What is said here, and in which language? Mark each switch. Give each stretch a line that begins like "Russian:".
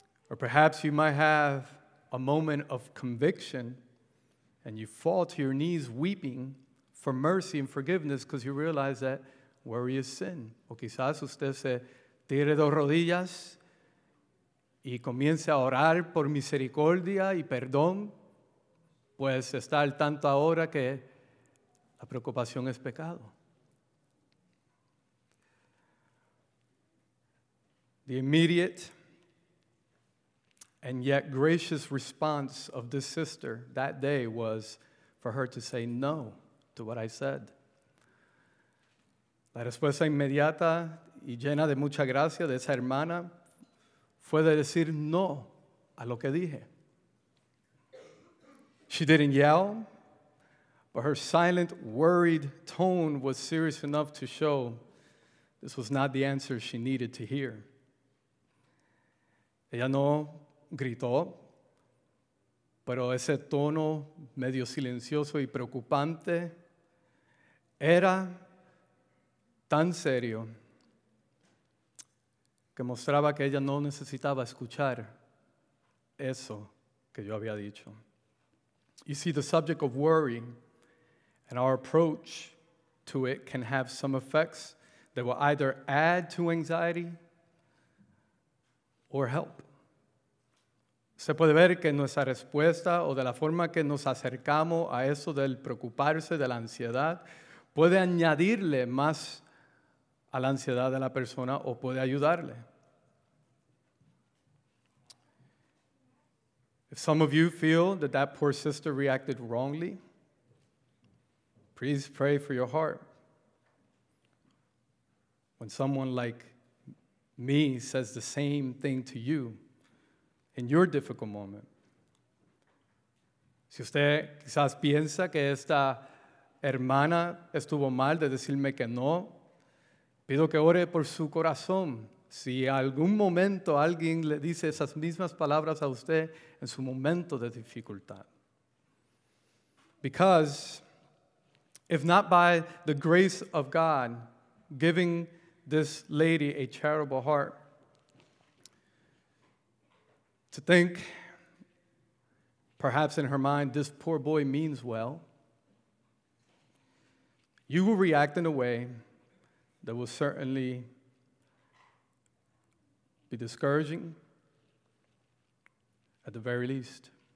English: Or perhaps you might have a moment of conviction and you fall to your knees weeping for mercy and forgiveness because you realize that worry is sin.
Spanish: O quizás usted se tire dos rodillas y comience a orar por misericordia y perdón, pues está al tanto ahora que la preocupación es pecado.
English: The immediate and yet gracious response of this sister that day was for her to say no to what I said.
Spanish: La respuesta inmediata y llena de mucha gracia de esa hermana fue de decir no a lo que dije.
English: She didn't yell, but her silent, worried tone was serious enough to show this was not the answer she needed to hear.
Spanish: Ella no gritó, pero ese tono medio silencioso y preocupante era tan serio que mostraba que ella no necesitaba escuchar eso que yo había dicho.
English: You see, the subject of worry and our approach to it can have some effects that will either add to anxiety or help.
Spanish: Se puede ver que nuestra respuesta o de la forma que nos acercamos a eso del preocuparse, de la ansiedad, puede añadirle más a la ansiedad de la persona o puede ayudarle.
English: If some of you feel that that poor sister reacted wrongly, please pray for your heart. When someone like me says the same thing to you in your difficult moment,
Spanish: si usted quizás piensa que esta hermana estuvo mal de decirme que no, pido que ore por su corazón. Si algún momento alguien le dice esas mismas palabras a usted en su momento de dificultad.
English: Because if not by the grace of God giving this lady a charitable heart, to think perhaps in her mind this poor boy means well, you will react in a way that will certainly be discouraging at the very least.